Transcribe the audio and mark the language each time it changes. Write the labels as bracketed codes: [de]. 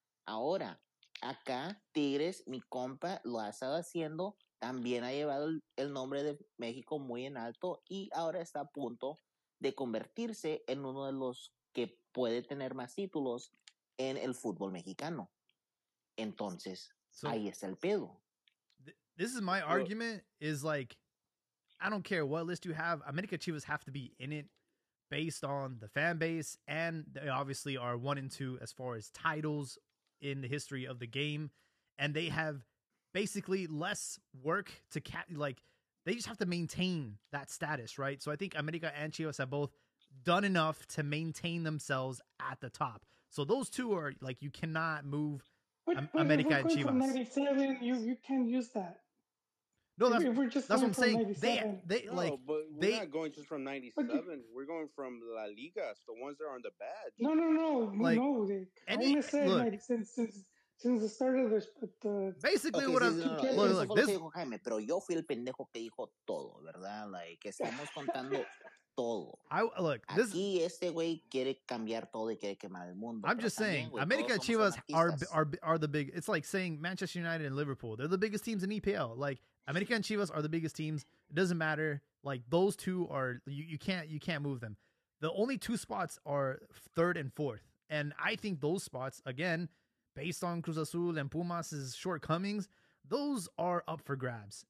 [es] Ahora, acá, Tigres, mi compa, lo ha estado haciendo, también ha llevado el nombre de México muy en alto y ahora está a punto de convertirse en uno de los que puede tener más títulos en el fútbol mexicano. Entonces, [en] so, [es] ahí está el pedo. [en] This is my argument, is like, I don't care what list you have, America Chivas have to be in it based on the fan base, and they obviously are 1 and 2 as far as titles in the history of the game, and they have basically less work to catch, like, they just have to maintain that status, right? So I think America and Chivas have both done enough to maintain themselves at the top. So those two are, like, you cannot move America and Chivas. From 97, you can't use that. No, that's what I'm saying. We're not going just from 97. We're going from La Liga, the ones that are on the badge. No. Like, no, I'm going to say 97 since the start of this. Basically, okay, what I'm... Look, this... [es] Dijo Jaime, pero yo fui el pendejo que dijo todo, ¿verdad? Like, estamos contando... Todo. Aquí este güey quiere cambiar todo y quiere quemar el mundo. [en] I'm just saying, América y Chivas are the big. It's like saying Manchester United and Liverpool. They're the biggest teams in EPL. Like, América and Chivas are the biggest teams. It doesn't matter. Like, those two are you can't move them. The only two spots are third and fourth. And I think those spots, again, based on Cruz Azul and Pumas' shortcomings, those are up for grabs.